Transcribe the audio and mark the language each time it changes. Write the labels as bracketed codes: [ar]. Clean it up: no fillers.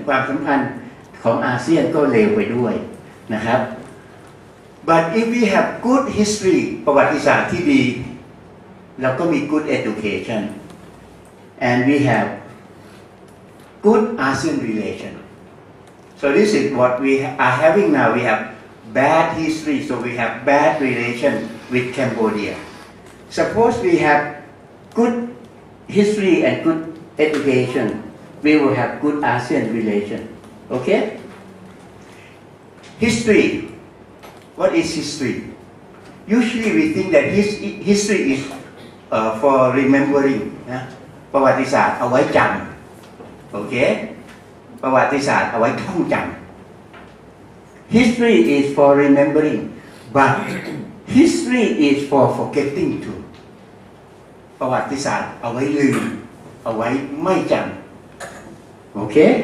[th] ความสัมพันธ์ของอาเซียนก็เลวไปด้วยนะครับ [en] But if we have good history, [th] ประวัติศาสตร์ที่ดีเราก็มี [en] good education, and we have good ASEAN relation. So this is what we are having now. We have bad history, so we have bad relation with Cambodia. Suppose we have good history and good education, we will have good ASEAN relation. Okay? History. What is history? Usually we think that history is for remembering. [th] ประวัติศาสตร์เอาไว้จำ Okay? ประวัติศาสตร์เอาไว้ท่องจำ [en] History is for remembering but history is for forgetting too [th] ประวัติศาสตร์เอาไว้ลืมเอาไว้ไม่จำโอเค